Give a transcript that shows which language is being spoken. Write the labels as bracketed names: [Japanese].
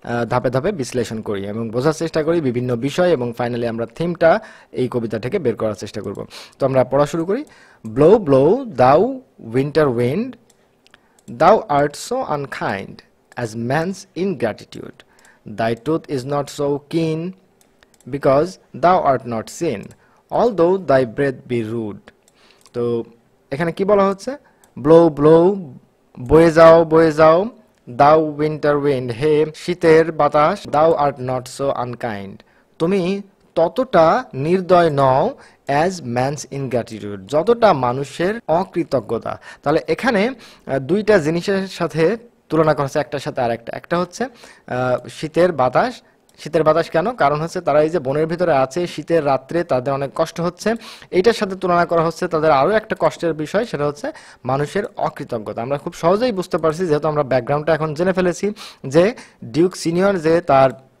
[Bangla] ধাপে ধাপে বিশ্লেষণ করি এবং বোঝার চেষ্টা করি বিভিন্ন বিষয় এবং ফাইনালি আমরা থিমটা এই কবিতা থেকে বের করার চেষ্টা করব তো আমরা পড়া শুরু করি [English] Blow blow thou winter wind Thou art so unkind as man's ingratitude. Thy tooth is not so keen because thou art not seen, although thy breath be rude. [Bangla] So, এখানে কি বলা হচ্ছে? [English] Blow, blow, [Bangla] বয়ে যাও, [English] thou winter wind, [Bangla] হে শীতের বাতাস, [English] thou art not so unkind. [Bangla] তুমি ততটা নির্দয় নও [English] as man's ingratitude [Bangla] যতটা মানুষের অকৃতজ্ঞতা তাহলে এখানে দুইটা জিনিসের সাথে তুলনা করা হচ্ছে একটার সাথে আর একটা একটা হচ্ছে শীতের বাতাস কেন কারণ হচ্ছে তারা এই যে বনের ভিতরে আছে শীতের রাত্রে তাদের অনেক কষ্ট হচ্ছে এইটার সাথে তুলনা করা হচ্ছে তাদের আরও একটা কষ্টের বিষয় সেটা হচ্ছে মানুষের অকৃতজ্ঞতা আমরা খুব সহজেই বুঝতে পারছি যেহেতু আমরা ব্যাকগ্রাউন্ডটা এখন জেনে ফেলেছি যে ডিউক সিনিয়র যে তার